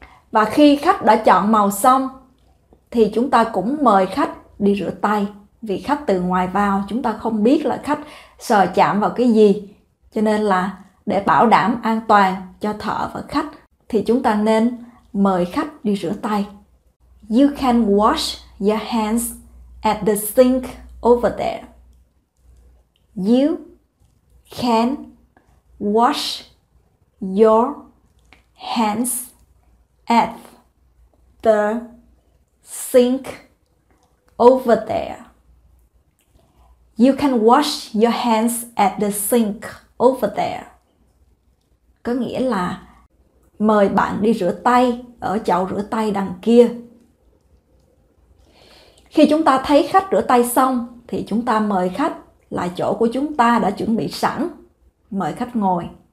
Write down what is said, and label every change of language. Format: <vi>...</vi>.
<vi>Và khi khách đã chọn màu xong thì chúng ta cũng mời khách đi rửa tay, vì khách từ ngoài vào chúng ta không biết là khách sờ chạm vào cái gì, cho nên là để bảo đảm an toàn cho thợ và khách thì chúng ta nên mời khách đi rửa tay.</vi> <en>You can wash your hands at the sink over there. You can wash your hands at the sink over there. You can wash your hands at the sink over there.</en> <vi>Có nghĩa là mời bạn đi rửa tay ở chậu rửa tay đằng kia. Khi chúng ta thấy khách rửa tay xong thì chúng ta mời khách lại chỗ của chúng ta đã chuẩn bị sẵn. Mời khách ngồi.</vi>